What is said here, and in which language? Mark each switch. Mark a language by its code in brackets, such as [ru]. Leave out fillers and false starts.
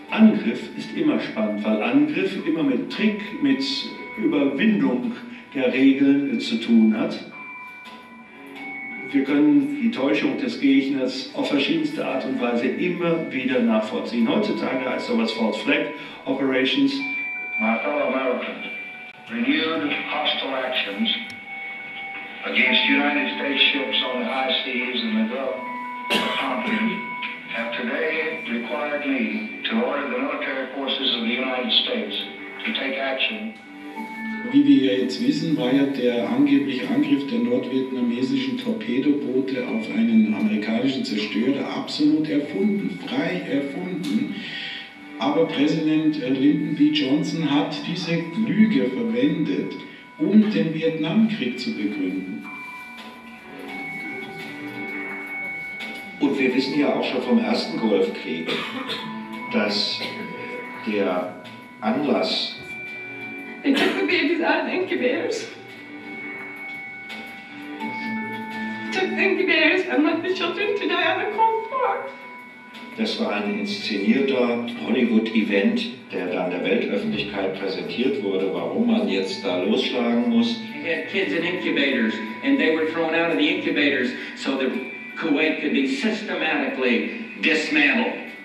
[de] Angriff ist immer spannend, weil Angriff immer mit Trick, mit Überwindung der Regeln zu tun hat. Wir können die Täuschung des Gegners auf verschiedenste Art und Weise immer wieder nachvollziehen. Heutzutage heißt sowas False Flag Operations. [en] My fellow Americans, renewed hostile actions against United States ships on the high seas in the Gulf of Tonkin have today required me to order the military forces of the United States to take action. [de] Wie wir jetzt wissen, war ja der angebliche Angriff der nordvietnamesischen Torpedoboote auf einen amerikanischen Zerstörer absolut erfunden, frei erfunden. Aber Präsident Lyndon B. Johnson hat diese Lüge verwendet, um den Vietnamkrieg zu begründen. Und wir wissen ja auch schon vom ersten Golfkrieg, dass der Anlass... [en] They took the babies out of the incubators. Took the incubators and left the children to die on the cold floor. [de] Das war ein inszenierter Hollywood-Event, der dann der Weltöffentlichkeit präsentiert wurde, warum man jetzt da losschlagen muss. [en] They had kids in incubators and they were thrown out of the incubators so that Kuwait could be systematically dismantled.